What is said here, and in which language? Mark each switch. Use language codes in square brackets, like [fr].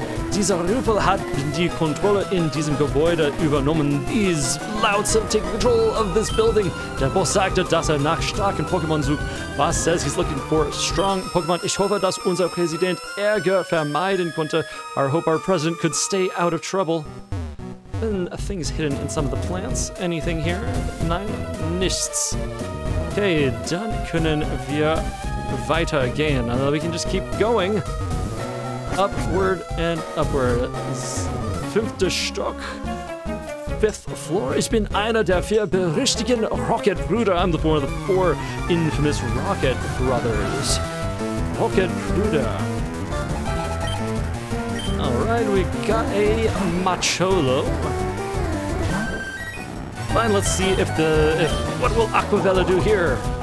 [de] Dieser Rüffel hat die Kontrolle in diesem Gebäude übernommen. [en] These louts have taken control of this building. [de] Der Boss sagte, dass nach starken Pokémon sucht. [en] Boss says he's looking for strong Pokémon. [de] Ich hoffe, dass unser Präsident Ärger vermeiden konnte. [en] I hope our president could stay out of trouble. And things hidden in some of the plants. Anything here? [de] Nein, nichts. Okay, dann können wir weitergehen. [en] Now we can just keep going. Upward and upward. [de] Fünfter Stock. [en] Fifth floor. [de] Ich bin einer der vier berüchtigten Rocket Brüder. [en] I'm one of the four infamous Rocket Brothers. Rocket Brüder. Alright, we got a Macholo. Fine, let's see if what will Aquavella do here?